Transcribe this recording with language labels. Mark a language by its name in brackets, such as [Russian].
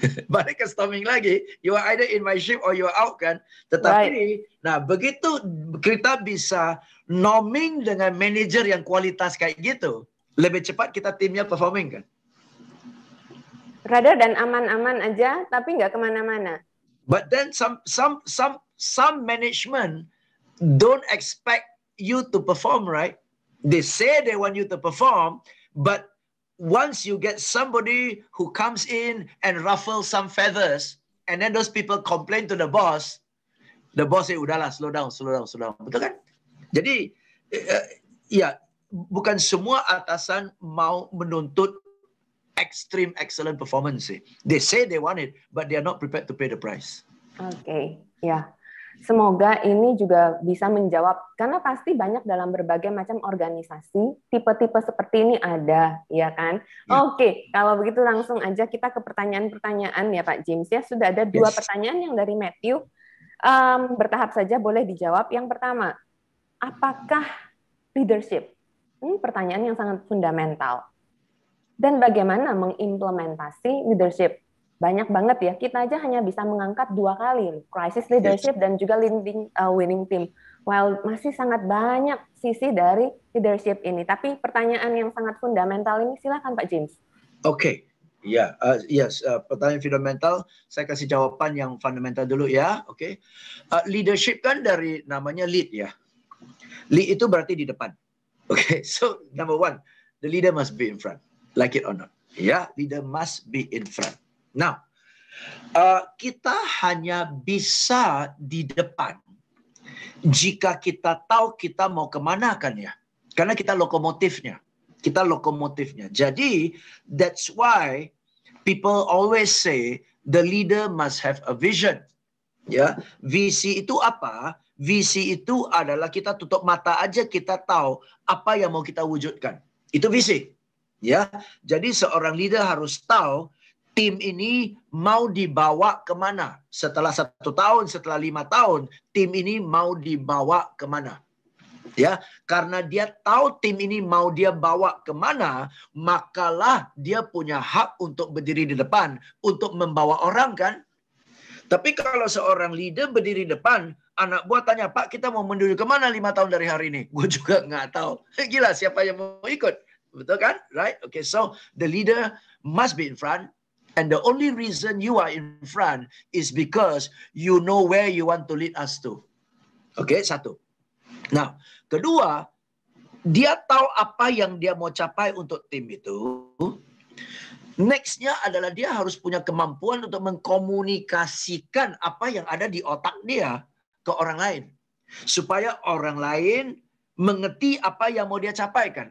[Indonesian] Balik ke storming lagi, [English] you are either in my ship or you are out [Indonesian] kan? Tetapi, right. Nah begitu kita bisa norming dengan manajer yang kualitas kayak gitu, lebih cepat kita timnya performing kan? Rather dan aman-aman aja, tapi nggak kemana-mana. [English] But then some management don't expect you to perform, right? They say they want you to perform, but once you get somebody who comes in and ruffles some feathers, and then those people complain to the boss say, [Indonesian] udahlah, [English] slow down, slow down, slow down. [Indonesian] Betul kan? Jadi, bukan semua atasan mau menuntut [English] extreme excellent performance. They say they want it, but they are not prepared to pay the price. Okay, yeah. [Indonesian] Semoga ini juga bisa menjawab, karena pasti banyak dalam berbagai macam organisasi, tipe-tipe seperti ini ada, ya kan? Yeah. Oke, kalau begitu langsung aja kita ke pertanyaan-pertanyaan ya Pak James. Ya, sudah ada dua pertanyaan yang dari Matthew. Bertahap saja boleh dijawab. Yang pertama, apakah leadership? Ini pertanyaan yang sangat fundamental. Dan bagaimana mengimplementasi leadership? Banyak banget ya, kita aja hanya bisa mengangkat dua kali, crisis leadership dan juga winning team. Well, masih sangat banyak sisi dari leadership ini. Tapi pertanyaan yang sangat fundamental ini, silakan Pak James. Oke, okay. Ya, pertanyaan fundamental, saya kasih jawaban yang fundamental dulu ya. Oke, okay. Leadership kan dari namanya lead ya. Lead itu berarti di depan. Oke, okay. [English] So number one, the leader must be in front, like it or not. Ya, yeah, leader must be in front. [Indonesian] Now, kita hanya bisa di depan jika kita tahu kita mau kemana kan ya. Karena kita lokomotifnya. Kita lokomotifnya. [English] Jadi, that's why people always say the leader must have a vision. [Indonesian] Ya, visi itu apa? Visi itu adalah kita tutup mata aja kita tahu apa yang mau kita wujudkan. Itu visi. Ya, jadi seorang leader harus tahu tim ini mau dibawa kemana? Setelah 1 tahun, setelah 5 tahun, tim ini mau dibawa kemana? Ya, karena dia tahu tim ini mau dia bawa kemana, makalah dia punya hak untuk berdiri di depan, untuk membawa orang kan? Tapi kalau seorang leader berdiri di depan, anak buah tanya, Pak, kita mau menuju kemana 5 tahun dari hari ini? Gue juga nggak tahu. Gila, siapa yang mau ikut? Betul kan? Right? [English] Okay, so the leader must be in front. And the only reason you are in front is because you know where you want to lead us to. [Indonesian] Okay, satu. Now, kedua, dia tahu apa yang dia mau capai untuk tim itu. Next-nya adalah dia harus punya kemampuan untuk mengkomunikasikan apa yang ada di otak dia ke orang lain. Supaya orang lain mengerti apa yang mau dia capai, kan?